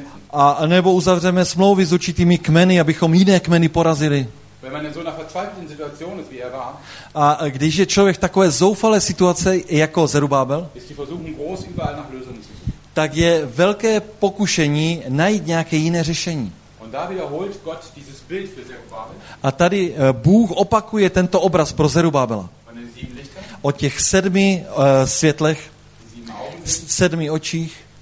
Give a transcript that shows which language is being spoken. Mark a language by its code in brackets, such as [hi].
[cs] A nebo uzavřeme smlouvy s určitými kmeny, abychom jiné kmeny porazili. [de] Wenn man in so einer verzweifelten Situation ist, wie er war, [cs] a když je člověk v takové zoufalé situace jako Zerubábel, [de] ist die Versuchung groß, überall nach Lösungen zu suchen. [cs] Tak je velké pokušení najít nějaké jiné řešení. [de] Und da wiederholt Gott dieses Bild für Zerubábel. [cs] A tady Bůh opakuje tento obraz pro Zerubábela. O těch sedmi světlech, sedmi očích,